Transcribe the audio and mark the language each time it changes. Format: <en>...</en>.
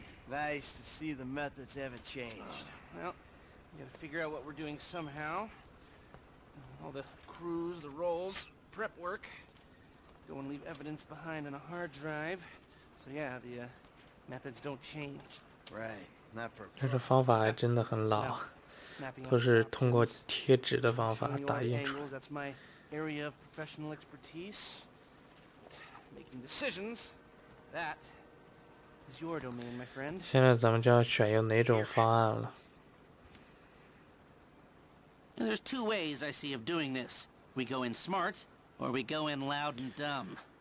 <en>Nice to see the methods haven't changed. Well, we gotta figure out what we're doing somehow. All the crews, the rolls, prep work. Go and leave evidence behind on a hard drive. So yeah, the methods don't change. Right. Not for.</en> <zh>但是方法还真的很老，都是通过贴纸的方法打印出来。</zh> <en>That's my area of professional expertise. Making decisions. That is your domain, my friend.</en> <zh>现在咱们就要选用哪种方案了。</zh> <en>There's two ways I see of doing this. We go in smart, or we go in loud and dumb.</en>